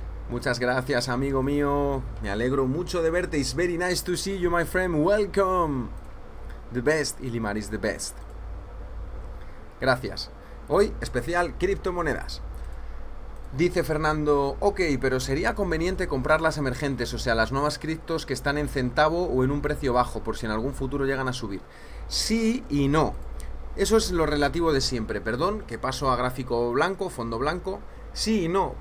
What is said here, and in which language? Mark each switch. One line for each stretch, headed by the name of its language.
Spanish: Muchas gracias, amigo mío. Me alegro mucho de verte.
English: It's very nice to see you, my friend. Welcome. The best, Ilimar is the best.
Spanish: Gracias. Hoy, especial criptomonedas. Dice Fernando, ok, pero sería conveniente comprar las emergentes, o sea, las nuevas criptos que están en centavo o en un precio bajo, por si en algún futuro llegan a subir. Sí y no. Eso es lo relativo de siempre. Perdón, que paso a gráfico blanco, fondo blanco. Sí y no.